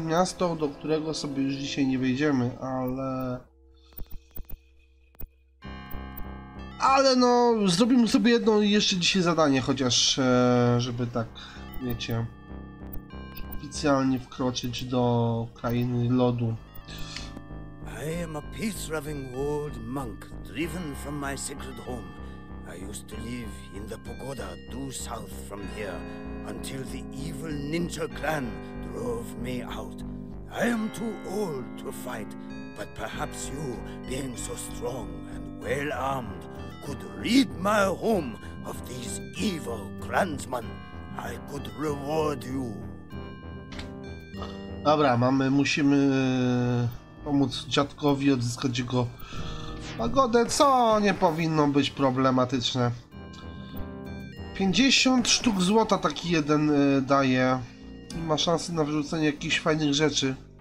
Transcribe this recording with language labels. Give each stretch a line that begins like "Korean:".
Polish: Miasto, do którego sobie już dzisiaj nie wejdziemy, ale... Ale no, zrobimy sobie jedno jeszcze dzisiaj zadanie, chociaż, żeby tak, wiecie, oficjalnie wkroczyć do krainy lodu.
English: I am a peace-loving old monk, driven from my sacred home. I used to live in the pagoda due south from here, until the evil ninja clan drove me out. I am too old to fight, but perhaps you, being so strong and well-armed, could rid my home of these evil clansmen. I could reward you.
Polish: Dobra, mamy, musimy pomóc dziadkowi odzyskać jego pagodę, co nie powinno być problematyczne. 50 sztuk złota taki jeden daje i ma szansę na wyrzucenie jakichś fajnych rzeczy.